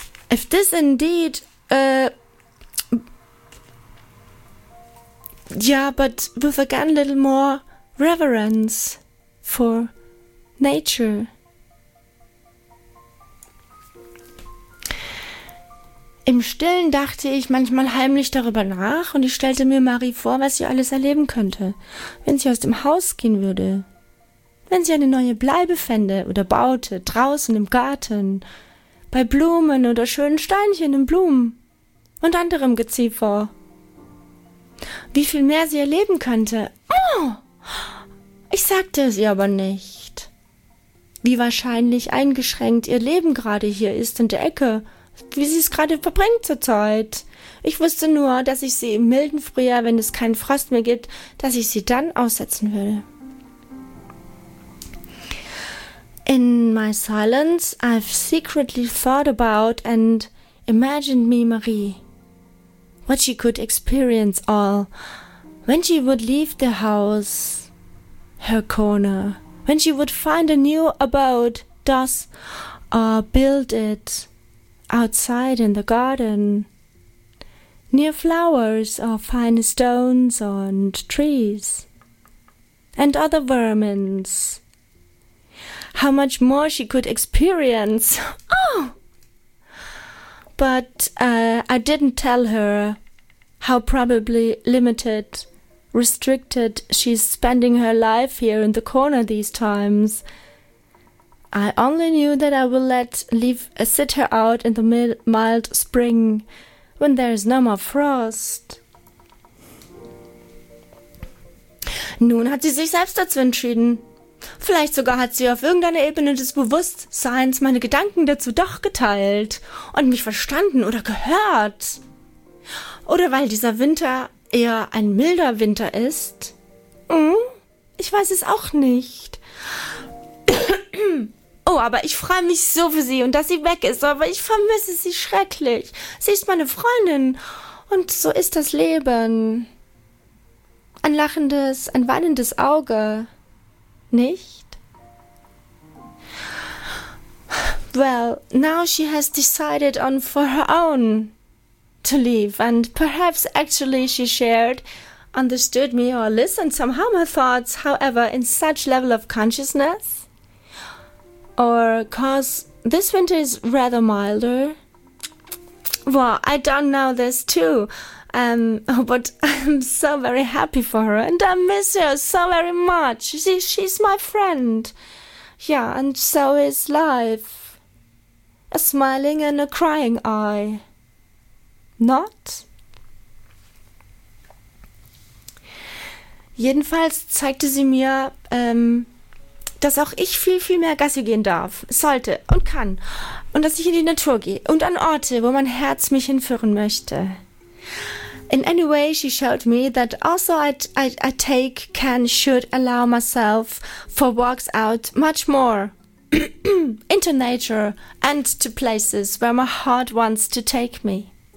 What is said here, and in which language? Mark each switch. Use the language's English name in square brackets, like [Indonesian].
[English] If this indeed, yeah, but with again a little more reverence for nature. [German] Im Stillen dachte ich manchmal heimlich darüber nach und ich stellte mir Marie vor, was sie alles erleben könnte, wenn sie aus dem Haus gehen würde, wenn sie eine neue Bleibe fände oder baute, draußen im Garten, bei Blumen oder schönen Steinchen im Blumen und anderem Geziefer. Wie viel mehr sie erleben könnte. Oh! Ich sagte es ihr aber nicht. Wie wahrscheinlich eingeschränkt ihr Leben gerade hier ist in der Ecke, wie sie es gerade verbringt zurzeit. Ich wusste nur, dass ich sie im milden Frühjahr, wenn es keinen Frost mehr gibt, dass ich sie dann aussetzen will. [English] In my silence, I've secretly thought about and imagined me Marie. What she could experience all. When she would leave the house, her corner. When she would find a new abode, thus, or build it outside in the garden. Near flowers or fine stones and trees. And other vermins. How much more she could experience. Oh! But I didn't tell her how probably limited, restricted she's spending her life here in the corner these times. I only knew that I will sit her out in the mild spring when there is no more frost. [German] Nun hat sie sich selbst dazu entschieden. Vielleicht sogar hat sie auf irgendeiner Ebene des Bewusstseins meine Gedanken dazu doch geteilt und mich verstanden oder gehört. Oder weil dieser Winter eher ein milder Winter ist. Ich weiß es auch nicht. Oh, aber ich freue mich so für sie und dass sie weg ist, aber ich vermisse sie schrecklich. Sie ist meine Freundin und so ist das Leben. Ein lachendes, ein weinendes Auge. Nicht? [English] Well, now she has decided on for her own to leave, and perhaps actually she shared, understood me or listened somehow my thoughts, however, in such level of consciousness. Or cause this winter is rather milder. Well, I don't know this too, but I'm so very happy for her, and I miss her so very much. She's my friend. Yeah, and so is life. A smiling and a crying eye. Not? [German] Jedenfalls zeigte sie mir, dass auch ich viel, viel mehr Gassi gehen darf, sollte und kann. Und dass ich in die Natur gehe und an Orte, wo mein Herz mich hinführen möchte. [English] In any way, she showed me that also I take, can, should allow myself for walks out much more into nature and to places where my heart wants to take me.